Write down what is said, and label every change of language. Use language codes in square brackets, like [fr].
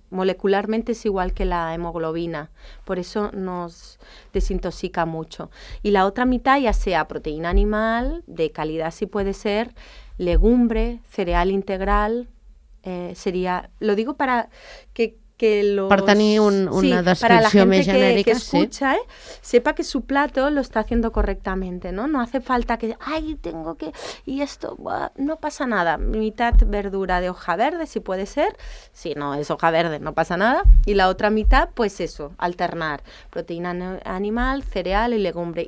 [es] Molecularmente es igual que la hemoglobina, por eso nos desintoxica mucho. Y la otra mitad ya sea proteína animal, de calidad si puede ser, legumbre, cereal integral, sería, lo digo para que los... [ca] Per tenir una descripció més genèrica, sí. [es] Para la gente que escucha, sí. Sepa que su plato lo está haciendo correctamente, ¿no? No hace falta que, ay, tengo que... Y esto, no pasa nada. Mitad verdura de hoja verde, si puede ser. Si no es hoja verde, no pasa nada. Y la otra mitad, pues eso, alternar. Proteína animal, cereal y legumbre.